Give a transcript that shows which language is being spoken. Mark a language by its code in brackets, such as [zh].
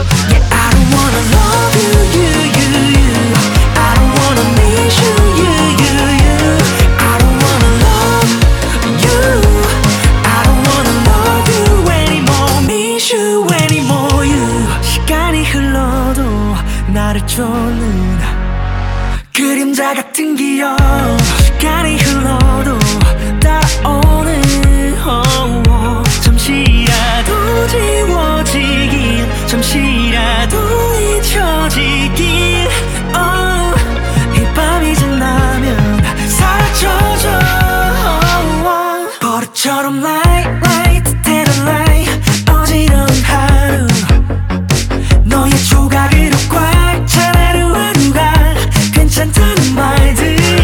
[en] Yeah, I don't wanna love you, you, you, you. I don't wanna miss you, you, you, you. I don't wanna love you. I don't wanna love you anymore. Miss you anymore, you. [ko] 시간이 흘러도 나를 쫓는 그림자 같은 기억. 시간이 흘러도 따라오는 oh, oh. 잠시라도 지워지길, 잠시라도 잊혀지길. Oh, 이 밤이 지나면 사라져줘. Oh, oh. 버릇처럼 [en] light, light, tell a lie. [ko] 어지러운 하루 너의 조각으로 꽉 찬 하루하루가 괜찮다는 말들.